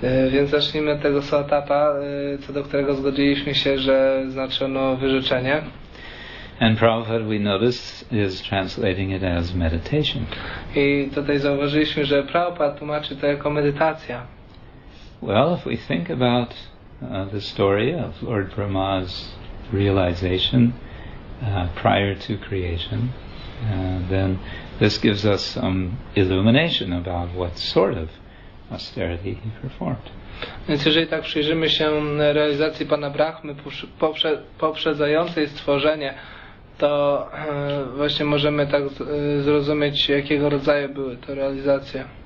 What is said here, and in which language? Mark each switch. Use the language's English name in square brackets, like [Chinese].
[Polish] Więc zacznijmy od tego słowa tapa, co do którego zgodziliśmy się, że znaczy ono wyrzeczenie. [English] And Prabhupada, we notice, is translating it as meditation. [Polish] I tutaj zauważyliśmy, że Prabhupada tłumaczy to jako medytacja. [English] Well, if we think about the story of Lord Brahma's realization prior to creation, then this gives us some illumination about what sort of austerity he performed. [Polish] Więc jeżeli tak przyjrzymy się realizacji Pana Brahmy poprzedzającej stworzenie, to właśnie możemy tak zrozumieć, jakiego rodzaju były to realizacje.